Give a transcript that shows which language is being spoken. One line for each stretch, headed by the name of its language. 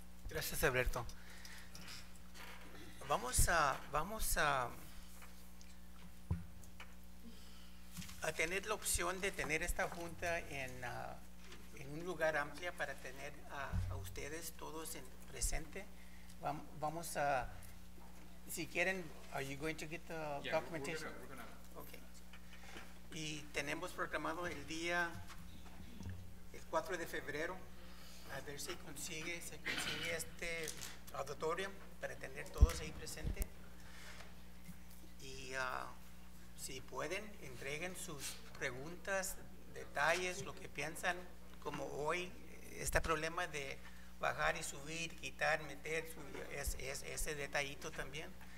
Spanish: Gracias, Alberto. Vamos a tener la opción de tener esta junta en un lugar amplio para tener a ustedes todos en presente. Vamos a, si quieren,
English: are you going to get the documentation? We're gonna.
Spanish: Y tenemos programado el día, el 4 de febrero, a ver si se consigue este auditorium para tener todos ahí presente. Y si pueden, entreguen sus preguntas, detalles, lo que piensan, como hoy, este problema de bajar y subir, quitar, meter, es ese detallito también.